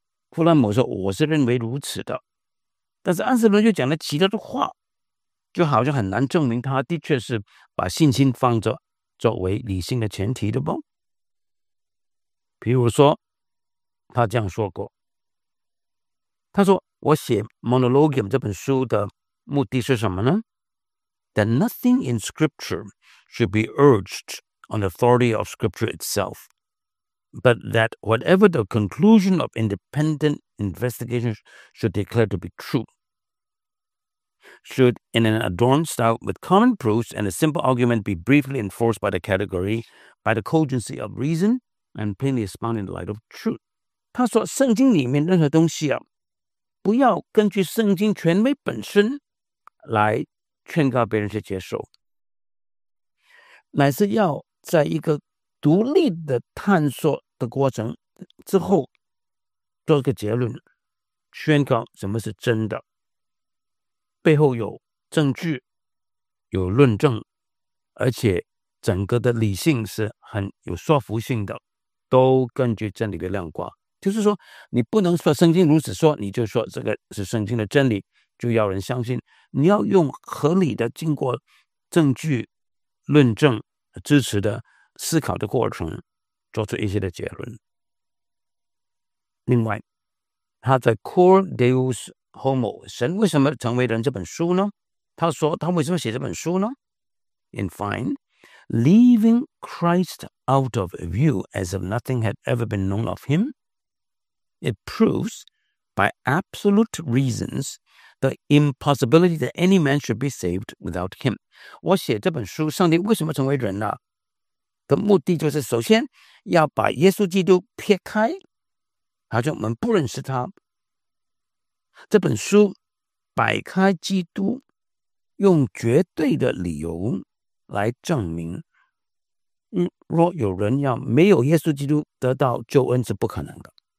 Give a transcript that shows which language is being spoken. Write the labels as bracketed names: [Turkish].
[Chinese] 弗兰姆说，我是认为如此的，但是安瑟伦又讲了其他的话，就好像很难证明他的确是把信心放着作为理性的前提的吧。比如说他这样说过，他说我写 Monologium 这本书的目的是什么呢？ [English] That nothing in scripture should be urged on the authority of scripture itself, but that whatever the conclusion of independent investigations should declare to be true, should in an adorned style with common proofs and a simple argument be briefly enforced by the category, by the cogency of reason, and plainly expounded in the light of truth. [Chinese] 他说圣经里面任何东西啊，不要根据圣经权威本身来劝告别人去接受，乃是要在一个独立的探索的过程之后做个结论，宣告什么是真的，背后有证据有论证，而且整个的理性是很有说服性的，都根据真理的亮光。就是说你不能说圣经如此说你就说这个是圣经的真理就要人相信，你要用合理的经过证据论证支持的思考的过程做出一些的结论。另外他在 Cor Deus Homo， 神为什么成为人这本书呢？他说他为什么写这本书呢？ [English] In fine, leaving Christ out of view as if nothing had ever been known of him, it proves by absolute reasons the impossibility that any man should be saved without him. [Chinese] 我写这本书，上帝为什么成为人呢？的目的就是首先要把耶稣基督撇开，好像我们不认识他。这本书摆开基督，用绝对的理由来证明，若有人要没有耶稣基督得到救恩是不可能的。